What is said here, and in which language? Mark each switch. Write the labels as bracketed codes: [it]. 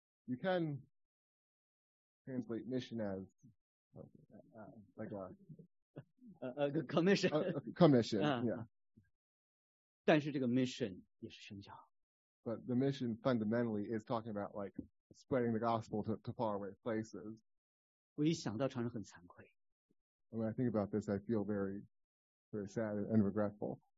[en] You can translate mission as like a commission. A commission, yeah. [zh] 但是这个mission也是宣教。 [en] But the mission fundamentally is talking about like spreading the gospel to faraway places. [zh] 我一想到常常很惭愧。 [en] When I think about this, I feel very, very sad and regretful.